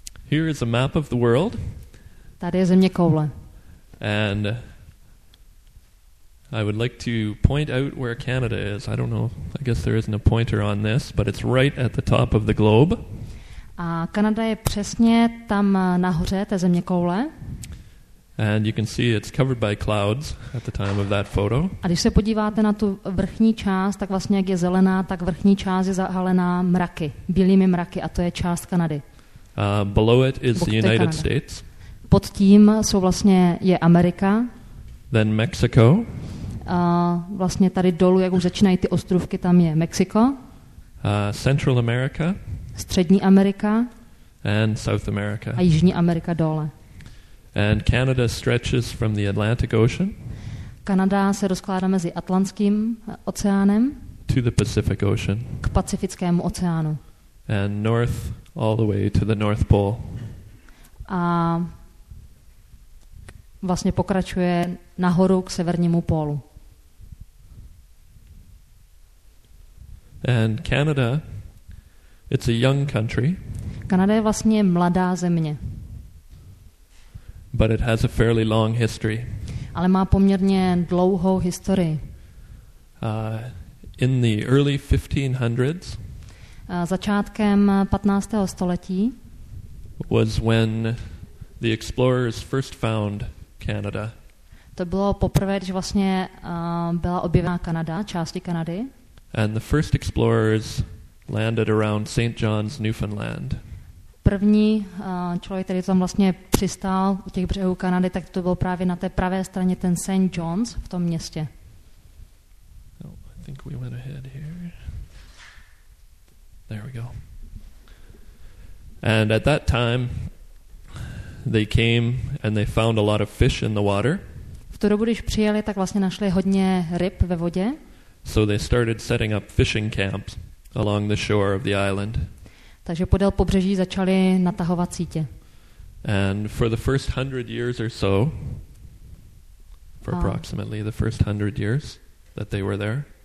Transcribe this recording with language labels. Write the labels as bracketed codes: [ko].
[en] Here is a map of the world. [cs] Tady je zeměkoule. [en] And I would like to point out where Canada is. I don't know. I guess there isn't a pointer on this, but it's right at the top of the globe. [cs] A Kanada je přesně tam nahoře té zeměkoule. [en] And you can see it's covered by clouds at the time of that photo. [cs] A když se podíváte na tu vrchní část, tak vlastně jak je zelená, tak vrchní část je zahalená mraky, bílými mraky, a to je část Kanady. [en] Below it is the United States. [cs] Pod tím jsou vlastně je Amerika. [en] Then Mexico. [cs] Vlastně tady dolů, jak už začínají ty ostrůvky, tam je Mexiko. [en] Central America. [cs] Střední Amerika. [en] And South America. [cs] A Jižní Amerika dole. [en] And Canada stretches from the Atlantic Ocean. [cs] Kanada se rozkládá mezi Atlantským oceánem. [en] To the Pacific Ocean. [cs] K Pacifickému oceánu. [en] And north all the way to the North Pole. [cs] A vlastně pokračuje nahoru k severnímu pólu. [en] And Canada, it's a young country. [cs] Kanada je vlastně mladá země. [en] But it has a fairly long history. [cs] Ale má poměrně dlouhou historii. [en] In the early 1500s. [cs] Začátkem 15. století. [en] Was when the explorers first found Canada. [cs] To bylo poprvé, když vlastně byla objevena Kanada, části Kanady. [en] And the first explorers landed around St. John's, Newfoundland. [cs] První člověk, který tam vlastně přistál u těch břehů Kanady, tak to byl právě na té pravé straně ten St. John's v tom městě. [en] Oh, I think we went ahead here. There we go. And at that time they came and they found a lot of fish in the water. [cs] V tu dobu, když přijeli, tak vlastně našli hodně ryb ve vodě. [en] So they started setting up fishing camps along the shore of the island. [cs] Takže podél pobřeží začali natahovat sítě. [en] And for the first 100 years or so, for approximately the first 100 years that they were there.